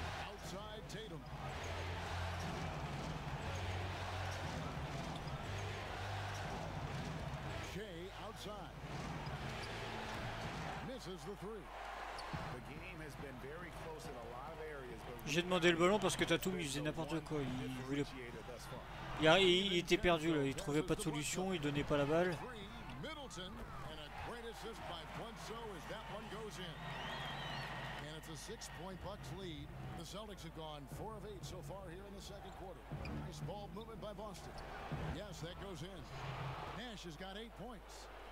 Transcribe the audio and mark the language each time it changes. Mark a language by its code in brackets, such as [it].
[en] Outside Tatum. Shea outside. Misses the 3. The game has been very close in a lot of areas. [fr] J'ai demandé le ballon parce que Tatum il faisait n'importe quoi, il était perdu là, il trouvait pas de solution, il donnait pas la balle. [en] Middleton and a great assist by Bledsoe as that one goes in. And it's a 6-point Bucks lead. The Celtics have gone 4 of 8 so far here in the second quarter. Nice ball movement by Boston. Yes, that goes in. Nash has got 8 points.